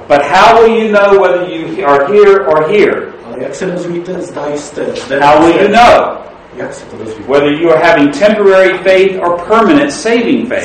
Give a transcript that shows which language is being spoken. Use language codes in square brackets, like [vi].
[en] But how will you know whether you are here or here? [cs] Ale jak se dozvíte, zda jste zde? [en] How will you know? [cs] Jak se to dozvíte? [en] Whether you are having temporary faith or permanent saving faith?